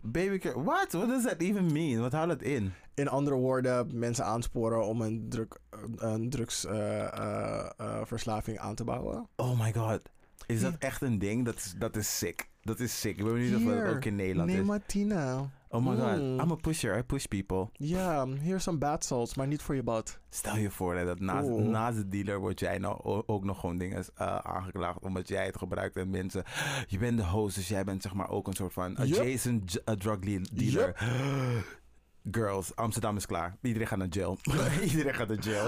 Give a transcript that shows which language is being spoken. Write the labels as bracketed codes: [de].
[en] Baby care. What? What does that even mean? [nl] Wat houdt dat in? In andere woorden, mensen aansporen om een drugsverslaving aan te bouwen. [en] Oh my god. [nl] Is dat echt een ding? Dat is sick. Dat is sick. Ik ben benieuwd of dat ook in Nederland neem is. Neem Martina. [en] Oh my god, I'm a pusher, I push people. Ja, yeah, here are some bad salts, [nl] maar niet voor je bad. Stel je voor hè, dat naast de dealer word jij nou ook nog gewoon dingen aangeklaagd... omdat jij het gebruikt en mensen... Je bent de host, dus jij bent zeg maar ook een soort van [en] adjacent drug dealer. [nl] Yep. Girls, Amsterdam is klaar. Iedereen gaat naar jail. Iedereen gaat naar jail.